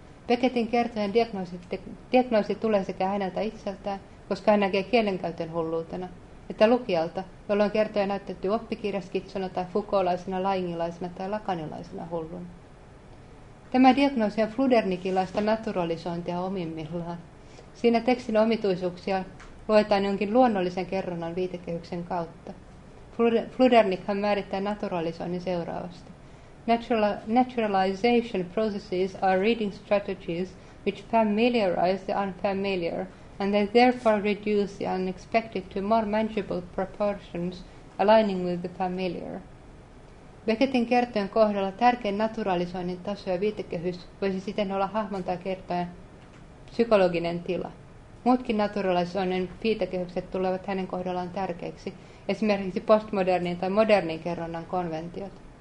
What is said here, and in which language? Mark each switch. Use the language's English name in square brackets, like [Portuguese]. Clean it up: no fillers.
[Finnish] Beckettin kertojen diagnoosi tulee sekä häneltä itseltään, koska hän näkee kielenkäytön hulluutena, että lukijalta, jolla on kertoja näytetty oppikirjaskitsona tai fukolaisena, laingilaisena tai lakanilaisena hullun. Tämä diagnoosi on fludernikilaista naturalisointia omimmillaan. Siinä tekstin omituisuuksia luetaan jonkin luonnollisen kerronnan viitekehyksen kautta. Fludernikhan määrittää naturalisoinnin seuraavasti. [English] Naturalization processes are reading strategies which familiarize the unfamiliar and they therefore reduce the unexpected to more manageable proportions aligning with the familiar. [Finnish] Beckettin kertojen kohdalla tärkein naturalisoinnin taso ja viitekehys voisi siten olla hahmon tai kertojen psykologinen tila. Muutkin naturalisoinnin viitekehykset tulevat hänen kohdallaan tärkeiksi, esimerkiksi postmodernin tai modernin kerronnan konventiot.